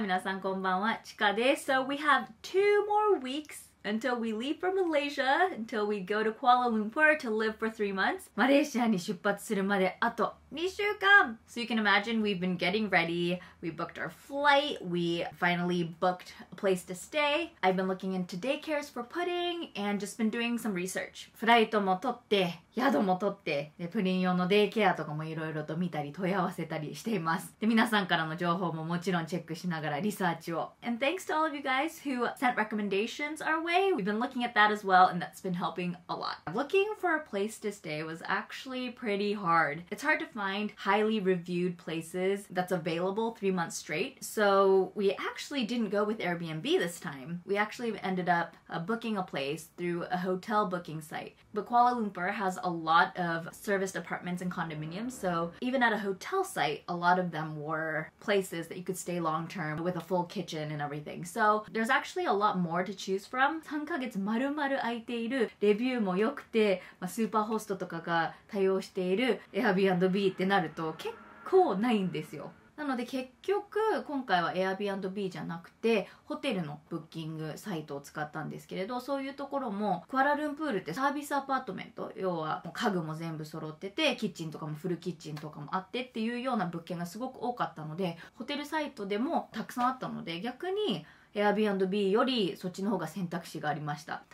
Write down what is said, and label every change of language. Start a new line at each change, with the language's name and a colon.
Japanese: 皆さんこんばんは、チカです。
English: So we have two more weeks until we leave for Malaysia, until we go to Kuala Lumpur to live for 3 months.
Japanese: マレーシアに出発するまであと2週間。
English: So you can imagine we've been getting ready. We booked our flight. We finally booked a place to stay. I've been looking into daycares for pudding and just been doing some research.
Japanese: フライトも取って、宿も取って、でプリン用のデイケアとかもいろいろと見たり問い合わせたりしています。で皆さんからの情報ももちろんチェックしながらリサーチを。
English: And thanks to all of you guys who sent recommendations our way. We've been looking at that as well and that's been helping a lot. Looking for a place to stay was actually pretty hard. It's hard to find highly reviewed places that's available 3 months straight. So we actually didn't go with Airbnb this time. We actually ended up booking a place through a hotel booking site. But Kuala Lumpur has a lot of serviced apartments and condominiums. So even at a hotel site, a lot of them were places that you could stay long term with a full kitchen and everything. So there's actually a lot more to choose from.
Japanese: 3ヶ月丸々空いている。レビューも良くて、まあ、スーパーホストとかが対応している Airbnb ってなると結構ないんですよ。なので結局今回は Airbnb じゃなくてホテルのブッキングサイトを使ったんですけれど、そういうところもクアラルンプールってサービスアパートメント、要は家具も全部揃っててキッチンとかもフルキッチンとかもあってっていうような物件がすごく多かったので、ホテルサイトでもたくさんあったので逆にAirbnb よりそっちの方が選択肢がありました。